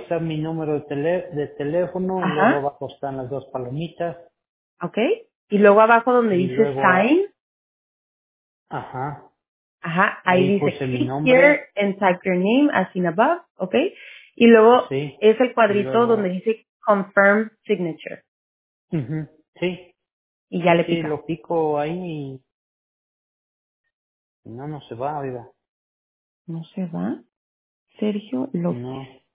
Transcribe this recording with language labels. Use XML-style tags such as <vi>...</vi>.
<es>Está mi número de teléfono. Ajá. Y luego abajo están las dos palomitas. Ok, y luego abajo donde dice sign. Ajá. Ajá, ahí dice</es> <en>click here and type your name as seen above,</en> <es>ok. Y luego sí, es el cuadrito luego, donde dice confirm signature. Uh-huh, sí. Y ya le pica. Sí, lo pico ahí y no se va, vida. ¿No se va? Sergio López. No.</es>